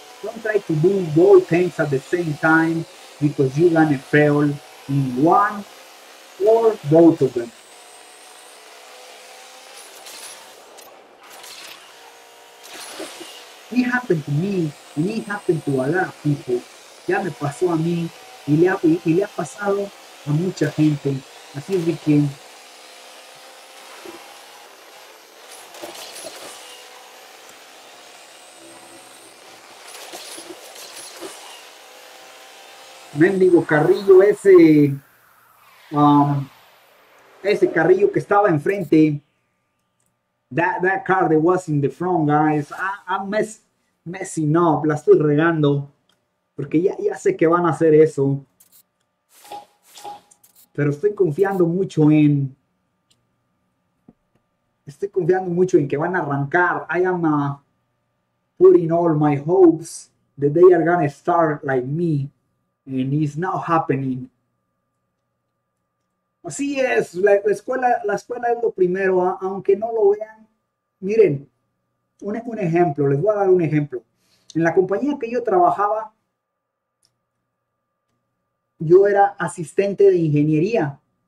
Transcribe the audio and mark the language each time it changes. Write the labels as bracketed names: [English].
[English] Don't try to do both things at the same time because you're gonna fail in one or both of them. It happened to me and it happened to a lot of people. [Spanish] Ya me pasó a mí y le ha pasado a mucha gente. Así es de que mendigo Carrillo, ese Carrillo que estaba enfrente, [English] that car that was in the front, guys, I'm messing up, [Spanish] la estoy regando, porque ya sé que van a hacer eso, pero estoy confiando mucho en que van a arrancar. [English] I am putting all my hopes that they are gonna start like me. And it's not happening. [Spanish] Así es, la escuela es lo primero, aunque no lo vean. Miren, un ejemplo, les voy a dar un ejemplo. En la compañía que yo trabajaba, yo era asistente de ingeniería.